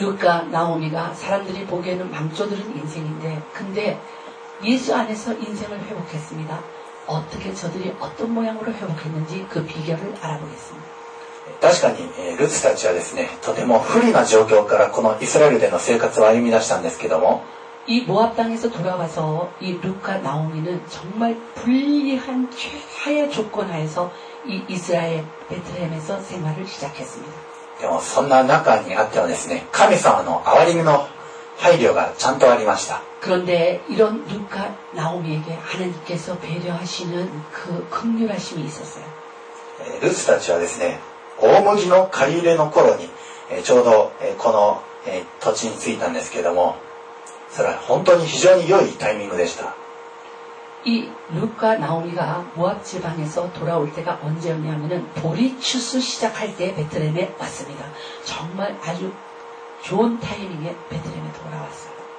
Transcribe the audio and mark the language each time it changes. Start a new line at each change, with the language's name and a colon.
Korean: ルカ・ナオミが사람들이보기에는망조들은인생인데근데예수안에서인생을회복했습니다어떻게저들이어떤모양으로회복했는지그비결을알아보겠습니다
Japanese: 確かにルツたちはですねとても不利な状況からこのイスラエルでの生活を歩み出したんですけども
Korean: 이 모압 땅에서 돌아와서 이 룻과 나오미는 정말 불리한 최하의 조건 하에서 이 이스라엘 베들레헴에서 생활을 시작했습니다.
Japanese: でもそんな中にあってはですね、神様の憐みの配慮がちゃんとありました。
Korean: 그런데 이런 룻과 나오미에게 하나님께서 배려하시는 그 긍휼하심이 있었어요.
Japanese: 룻たちはですね、大麦の借り入れの頃にちょうどこの土地に着いたんですけども。それは本当に非常に良いタイミングでした。
Korean: 이 룻과 나오미가 모압 지방에서 돌아올 때가 언제였냐면은 보리 추수 시작할 때 베들레헴에 왔습니다. 정말 아주 좋은 타이밍에 베들레헴에 돌아왔어요.